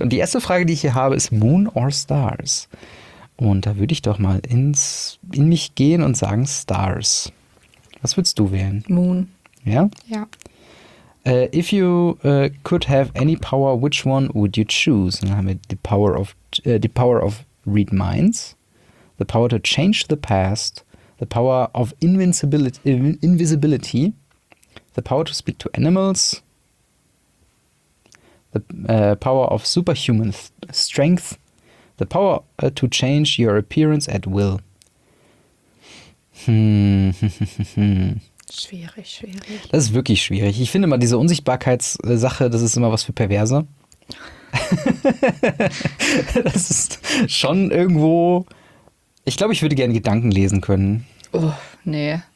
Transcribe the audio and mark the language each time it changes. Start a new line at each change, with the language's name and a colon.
German: Und die erste Frage, die ich hier habe, ist
English: Moon or Stars?
German: Und da würde ich doch mal in mich gehen und sagen Stars. Was würdest du wählen? Moon. Ja? Ja.
English: If you could have any power, which one would you choose?
German: Dann haben wir
English: the power of read minds, the power to change the past, the power of invisibility, the power to speak to animals, the power of superhuman strength, the power to change your appearance at will.
German: Schwierig. Das ist wirklich schwierig. Ich finde mal diese Unsichtbarkeitssache, das ist immer was für Perverse. Das ist schon irgendwo... Ich glaube, ich würde gerne Gedanken lesen können. Oh, nee.